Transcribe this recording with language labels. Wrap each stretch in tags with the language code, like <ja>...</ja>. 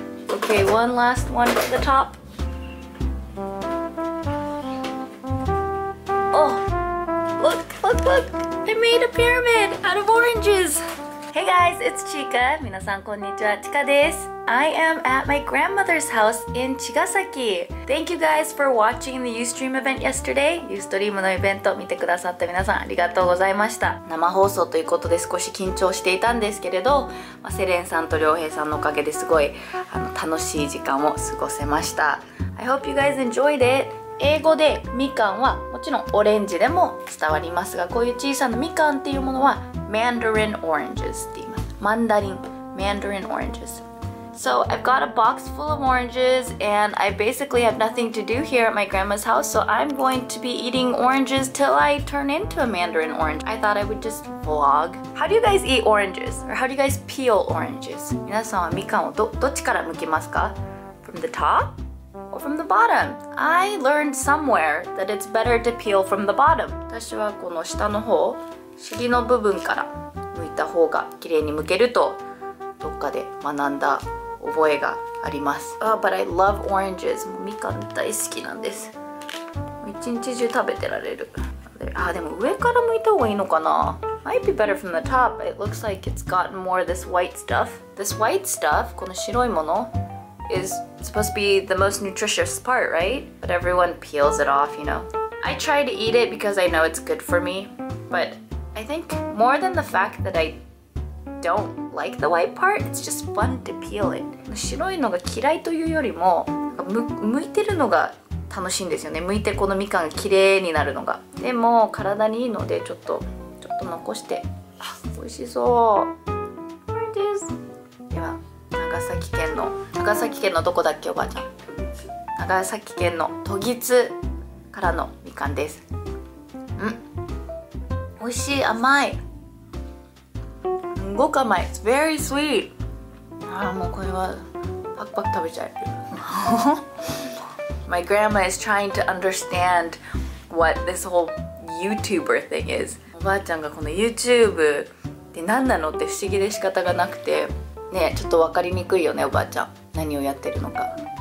<en>Okay, one last one at the top. Oh, look, look, look! I made a pyramid out of oranges! Hey guys, it's Chika.</en> <ja>皆さんこんにちは、Chika です。</ja> <en>I am at my grandmother's house in Chigasaki. Thank you guys for watching the Ustream event yesterday.</en> <ja>Ustream のイベント見てくださった皆さんありがとうございました。生放送ということで少し緊張していたんですけれど、まあ、セレンさんと良平さんのおかげですごい楽しい時間を過ごせました。</ja> <en>I hope you guys enjoyed it.</en> <ja>英語でみかんはもちろんオレンジでも伝わりますが、こういう小さなみかんっていうものはMandarin oranges って言います。</ja> <en>マンダリン、Mandarin oranges。So I've got a box full of oranges and I basically have nothing to do here at my grandma's house, so I'm going to be eating oranges till I turn into a mandarin orange. I thought I would just vlog. How do you guys eat oranges? Or how do you guys peel oranges?</en> <ja>皆さんはみかんをどっちから剥きますか?</ja> <en>From the top? Or from the bottom? I learned somewhere that it's better to peel from the bottom.</en> <ja>私はこの下の方、尻の部分から剥いた方が綺麗に剥けると、どっかで学んだ覚えがあります。</ja> <en>Oh, but I love oranges.</en> <ja>もうみかん大好きなんです。一日中食べてられる。あ、でも上から剥いた方がいいのかな?</ja> <en>Might be better from the top. It looks like it's gotten more of this white stuff. This white stuff,</en> <ja>この白いもの,</ja> <en>is supposed to be the most nutritious part, right? But everyone peels it off, you know. I try to eat it because I know it's good for me. But I think more than the fact that I don't like the white part, it's just fun to peel it.</en> <ja>白いのが嫌いというよりも、剥いてるのが楽しいんですよね。剥いてこのみかんが綺麗になるのが。でも体にいいのでちょっと残して。あ、美味しそう。</ja> <en>Where it is?</en> <ja>では、長崎県のどこだっけおばあちゃん。長崎県の時津からのみかんです。うん。美味しい、甘い。</ja> <en>5枚 It's very sweet!</en> <ja>ああもうこれはパクパク食べちゃう。</ja> <en>My grandma is trying to understand what this whole YouTuber thing is.</en> <ja>おばあちゃんがこの YouTube って何なのって不思議で仕方がなくて、ねちょっと分かりにくいよね、おばあちゃん。何をやってるのか。</ja>